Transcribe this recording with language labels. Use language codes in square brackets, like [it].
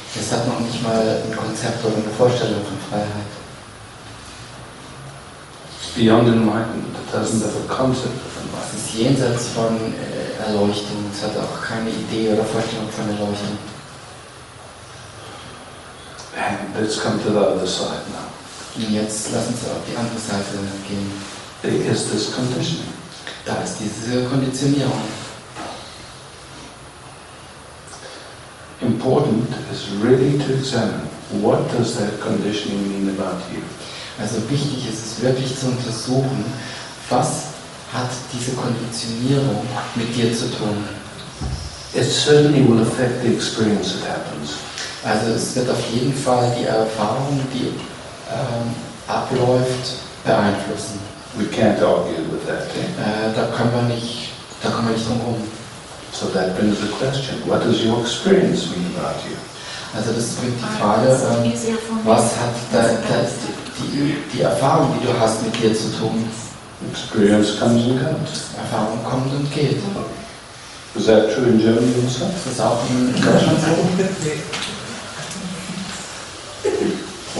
[de] Es hat noch nicht mal ein Konzept oder eine Vorstellung von Freiheit. [en] It's beyond enlightenment. It doesn't have a concept of enlightenment. [de] Es ist jenseits von Erleuchtung. Es hat auch keine Idee oder Vorstellung von Erleuchtung. [en] And let's come to the other side now. [de] Und jetzt lass uns auf die andere Seite gehen. [en] There is this conditioning. [de] Da ist diese Konditionierung. [en] Important is really to examine what does that conditioning mean about you. [de] Also wichtig ist es wirklich zu untersuchen, was hat diese Konditionierung mit dir zu tun. [en] It certainly will affect the experience that happens. [de] Also es wird auf jeden Fall die Erfahrung, die abläuft, beeinflussen. [en] We can't argue with that. [de] Da kann man nicht drum herum. [en] So that brings the question: what does your experience mean about you? [de] Also das bringt die Frage: was hat die Erfahrung, die du hast, mit dir zu tun? [en] Experience comes and goes. [de] Erfahrung kommt und geht. [en] Is that true in Germany also? [de] Ist das auch in Deutschland so?